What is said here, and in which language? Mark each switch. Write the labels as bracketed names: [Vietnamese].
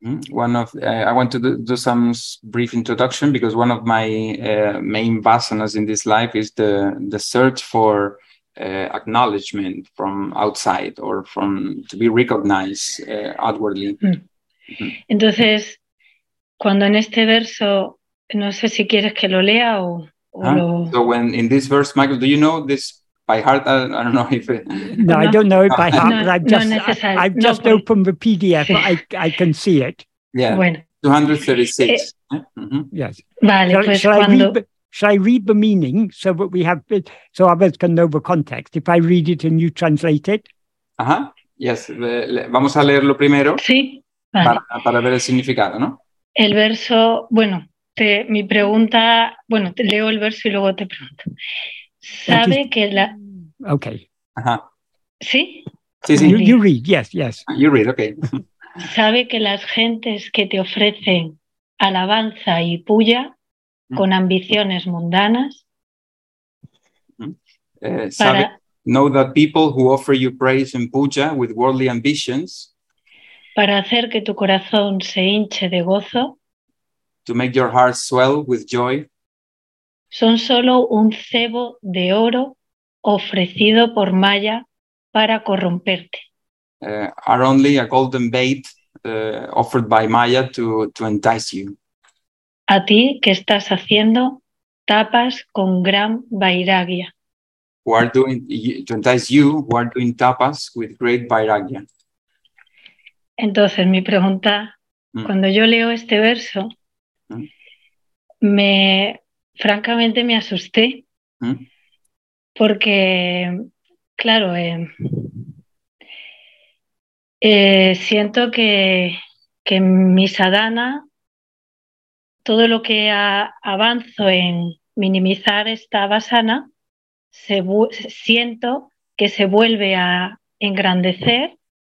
[English] One of I want to do some brief introduction because one of my main basanas in this life is the search for acknowledgement from outside or from to be recognized outwardly. [Spanish] Entonces, cuando en este verso no sé si quieres que lo lea o [English] So when in this verse, Michael, do you know this by heart? I don't know if it... No, I don't know it by heart, but I've just opened the PDF. I can see it. Yeah. [Spanish] Bueno. [English] 236. Yes. [Spanish] Vale, [English] shall I read the meaning so that we have it, so others can know the context? If I read it and you translate it. Yes. [Spanish] Vamos a leerlo primero. Sí. Vale. Para ver el significado, ¿no? El verso, bueno. Mi pregunta, bueno, te leo el verso y luego te pregunto. ¿Sabe que la...? [English] Ok. [Spanish] ¿Sí? Sí, sí. [English] You read, yes, yes. You read, ok. [Spanish] ¿Sabe que las gentes que te ofrecen alabanza y puya con ambiciones mundanas? [English] Know that people who offer you praise and puya with worldly ambitions... [Spanish] Para hacer que tu corazón se hinche de gozo... [English] To make your heart swell with joy. [Spanish] Son solo un cebo de oro ofrecido por Maya para corromperte. [English] Are only a golden bait offered by Maya to entice you. [Spanish] A ti que estás haciendo tapas con gran vairagya. [English] Who are doing, to entice you, who are doing tapas with great vairagya. [Spanish] Entonces, mi pregunta, cuando yo leo este verso, francamente me asusté, porque, claro, siento que mi sadhana, todo lo que avanzo en minimizar esta vasana, siento que se vuelve a engrandecer.